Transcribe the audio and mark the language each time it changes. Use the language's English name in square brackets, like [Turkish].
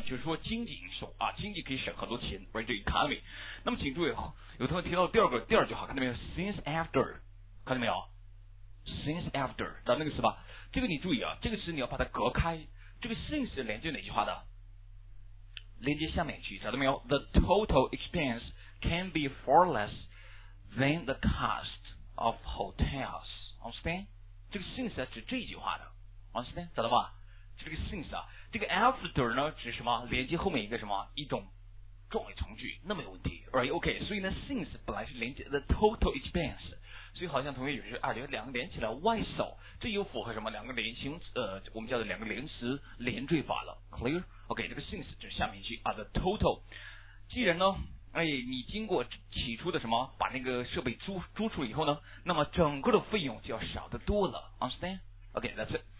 [Chinese] 就是说经济因素啊，经济可以省很多钱，而这 economy。那么请注意，有同学提到第二个第二句话，看到没有 ？Since after， 看到没有 ？Since after， 知道那个词吧？这个你注意啊，这个词你要把它隔开。这个 since 连接哪句话的？连接下面去，找到没有 [English] ？The total expense can be far less than the cost of hotels. Understand？ [Chinese] 这个 since 指这句话的 ，understand？找到吧？这个 since 啊，这个 after 呢指什么？连接后面一个什么一种状语从句，那没有问题 ，right？ OK， 所以呢 ，since 本来是连接 [English] the total expense。 [Chinese] 所以好像同学有时啊，两个连起来 ，why so？ 这又符合什么？两个连形我们叫做两个连词连缀法了 ，clear？ OK， 这个 since 就是下面一句啊 ，the total。既然呢，哎，你经过起初的什么，把那个设备租出以后呢，那么整个的费用就要少得多了 ，understand？OK，、 [English] okay, that's it。